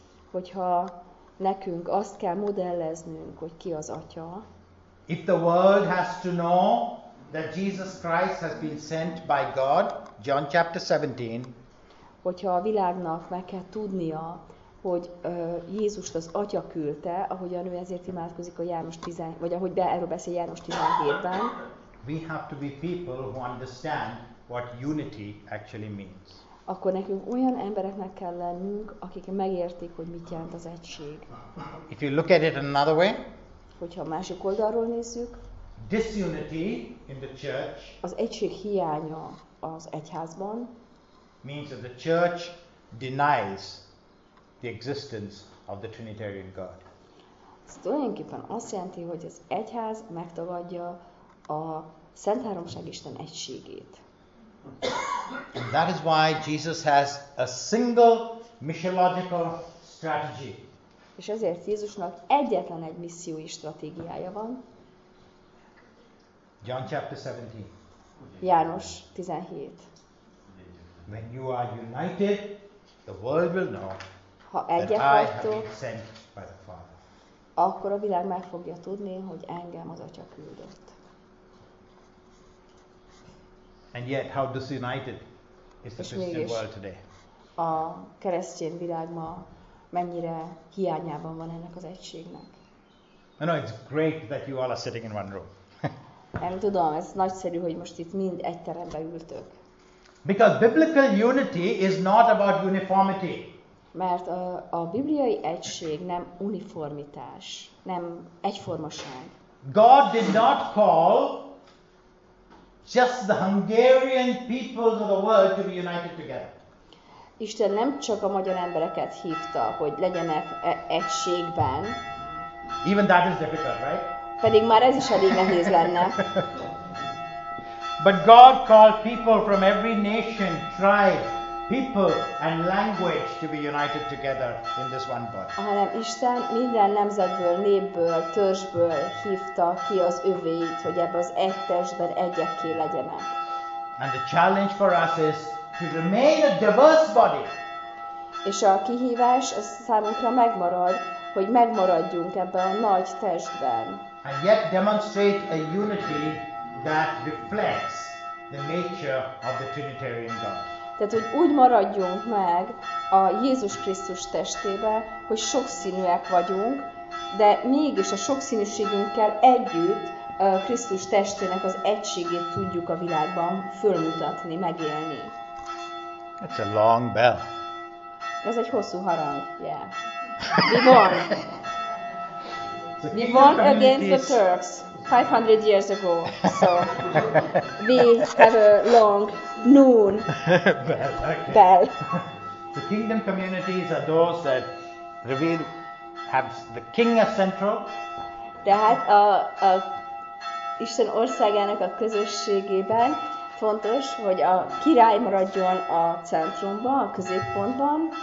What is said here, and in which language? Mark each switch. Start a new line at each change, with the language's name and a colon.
Hungarian: hogyha nekünk azt kell modelleznünk, hogy ki az Atya.
English: If the world has to know that Jesus Christ has been sent by God, John chapter 17.
Hungarian: Hogyha a világnak meg kell tudnia, hogy Jézust az Atya küldte, ahogyan ő ezért imádkozik a János 10, vagy ahogy erről beszél János 17-ben.
English: We have to be people who understand what unity actually means.
Hungarian: Akkor nekünk olyan embereknek kell lennünk, akik megértik, hogy mit jelent az egység.
English: If you look at it another way,
Hungarian: hogyha a másik oldalról nézzük,
English: disunity in the church,
Hungarian: az egység hiánya az egyházban,
English: means that the church denies the existence of the Trinitarian God.
Hungarian: Ez tulajdonképpen azt jelenti, hogy az egyház megtagadja a Szent Háromság Isten egységét.
English: And that is why Jesus has a single missiological strategy.
Hungarian: És ezért Jézusnak egyetlen egy missziói stratégiája van.
English: John chapter 17.
Hungarian: János 17.
English: When you are united, the world will know.
Hungarian: Ha egyek vagytok,
English: sent by the Father.
Hungarian: Akkor a világ meg fogja tudni, hogy engem az Atya küldött.
English: And yet, how disunited is the Christian world today?
Hungarian: A keresztény világ ma mennyire hiányában van ennek az egységnek?
English: I know it's great that you all are sitting in one room.
Hungarian: Nem tudom, ez nagyszerű, hogy most itt mind egy teremben ültök.
English: Because biblical unity is not about uniformity.
Hungarian: Mert a bibliai egység nem uniformitás, nem egyformaság.
English: God did not call just the Hungarian peoples of the world to be united together.
Hungarian: Isten nem csak a magyar embereket hívta, hogy legyenek egységben.
English: Even that is difficult, right?
Hungarian: Pedig már ez is elég nehéz lenne.
English: But God called people from every nation, tribe, people and language to be united together in this one body.
Hungarian: Hanem Isten minden nemzetből, népből, törzsből hívta ki az övéit, hogy ebbe az egy testben egyekké legyenek.
English: And the challenge for us is to remain a diverse body.
Hungarian: És a kihívás az számunkra megmarad, hogy megmaradjunk ebben a nagy testben.
English: And yet demonstrate a unity that reflects the nature of the Trinitarian God.
Hungarian: Tehát, hogy úgy maradjunk meg a Jézus Krisztus testébe, hogy sokszínűek vagyunk, de mégis a sokszínűségünkkel együtt Krisztus testének az egységét tudjuk a világban fölmutatni, megélni.
English: That's a long bell.
Hungarian: Ez egy hosszú harang, yeah. Vivon!
English: Vivon against the Turks, 500 years ago, so we have a long noon bell. Okay. Bell. The kingdom communities are those that reveal, have the king as central.
Hungarian: Tehát a Isten országának a közösségében fontos, hogy a király maradjon a centrumban, a középpontban.